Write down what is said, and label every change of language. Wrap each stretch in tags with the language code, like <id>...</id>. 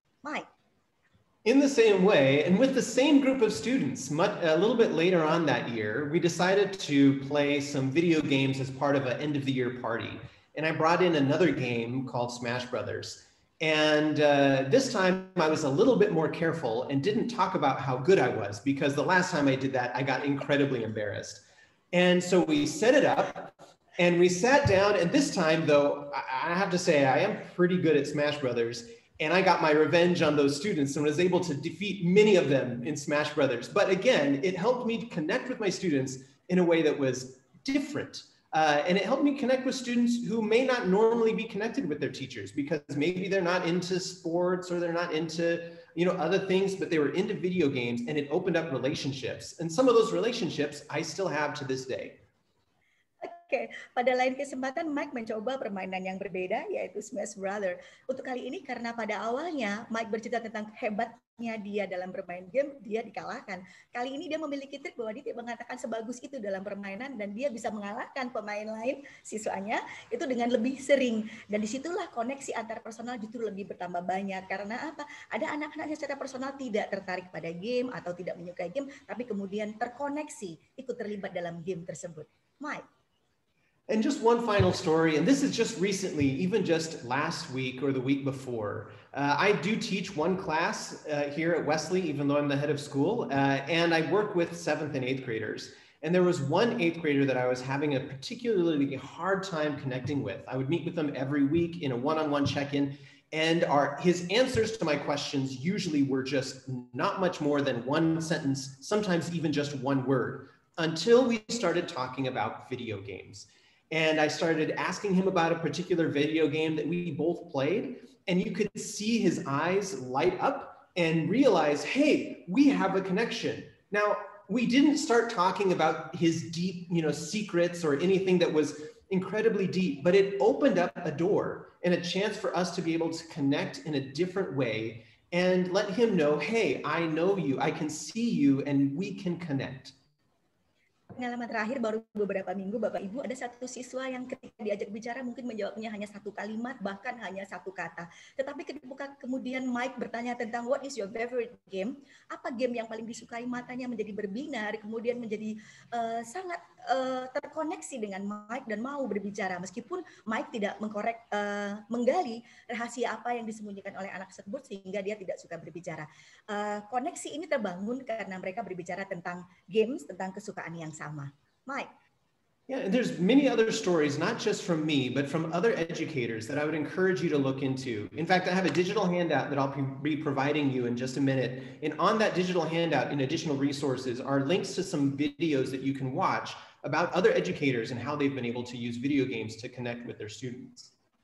<en>Mike. In the same way, and with the same group of students, a little bit later on that year, we decided to play some video games as part of an end-of-the-year party. And I brought in another game called Smash Brothers. And this time, I was a little bit more careful and didn't talk about how good I was, because the last time I did that, I got incredibly embarrassed. And so we set it up, and we sat down, and this time, though, I have to say, I am pretty good at Smash Brothers. And I got my revenge on those students and was able to defeat many of them in Smash Brothers. But again, it helped me connect with my students in a way that was different. And it helped me connect with students who may not normally be connected with their teachers, because maybe they're not into sports or they're not into, you know, other things, but they were into video games, and it opened up relationships. And some of those relationships I still have to this day.</en> <id>Oke, pada lain kesempatan Mike mencoba permainan yang berbeda, yaitu Smash Brothers. Untuk kali ini, karena pada awalnya Mike bercerita tentang hebatnya dia dalam bermain game, dia dikalahkan. Kali ini dia memiliki trik bahwa dia tidak mengatakan sebagus itu dalam permainan, dan dia bisa mengalahkan pemain lain, siswanya, itu dengan lebih sering. Dan disitulah koneksi antar personal justru lebih bertambah banyak. Karena apa? Ada anak-anak yang secara personal tidak tertarik pada game atau tidak menyukai game, tapi kemudian terkoneksi, ikut terlibat dalam game tersebut. Mike.</id> <en>And just one final story, and this is just recently, even just last week or the week before. I do teach one class here at Wesley, even though I'm the head of school, and I work with seventh and eighth graders. And there was one eighth grader that I was having a particularly hard time connecting with. I would meet with them every week in a one-on-one check-in, and his answers to my questions usually were just not much more than one sentence, sometimes even just one word, until we started talking about video games. And I started asking him about a particular video game that we both played, and you could see his eyes light up and realize, hey, we have a connection. Now, we didn't start talking about his deep, you know, secrets or anything that was incredibly deep, but it opened up a door and a chance for us to be able to connect in a different way and let him know, hey, I know you, I can see you, and we can connect.</en> <id>Pengalaman terakhir baru beberapa minggu, Bapak Ibu, ada satu siswa yang ketika diajak bicara mungkin menjawabnya hanya satu kalimat, bahkan hanya satu kata. Tetapi ketika kemudian Mike bertanya tentang</id> <en>what is your favorite game,</en> <id>apa game yang paling disukai, matanya menjadi berbinar, kemudian menjadi sangat terkoneksi dengan Mike dan mau berbicara. Meskipun Mike tidak menggali rahasia apa yang disembunyikan oleh anak tersebut sehingga dia tidak suka berbicara. Koneksi ini terbangun karena mereka berbicara tentang games, tentang kesukaan yang sama. Mike.</id> <en>Yeah, and there's many other stories, not just from me, but from other educators that I would encourage you to look into. In fact, I have a digital handout that I'll be providing you in just a minute. And on that digital handout, in additional resources, are links to some videos that you can watch about other educators and how they've been able to use video games to connect with their students.</en>